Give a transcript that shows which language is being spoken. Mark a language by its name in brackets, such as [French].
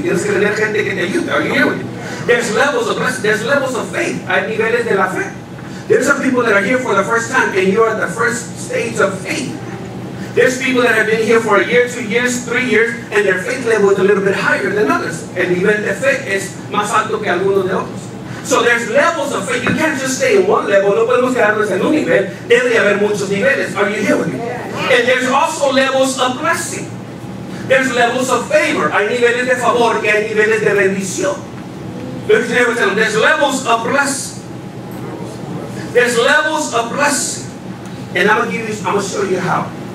[Spanish] Tienes que tener gente que te ayude. [English] Are you here with me? There's levels of blessing. There's levels of faith. [Spanish] Hay niveles de la fe. [English] There's some people that are here for the first time, and you are at the first stage of faith. There's people that have been here for a year, 2 years, 3 years, and their faith level is a little bit higher than others. [Spanish] El nivel de fe es más alto que alguno de otros. [English] So there's levels of faith. You can't just stay in one level. [Spanish] No podemos quedarnos en un nivel. Debe haber muchos niveles. [English] Are you here with me? And there's also levels of blessing. There's levels of favor. [Spanish] Hay niveles de favor y hay niveles de bendición. [English] Look at your neighbor and tell them, there's levels of blessing. There's levels of blessing. And I'm going to give you, I'm going to show you how.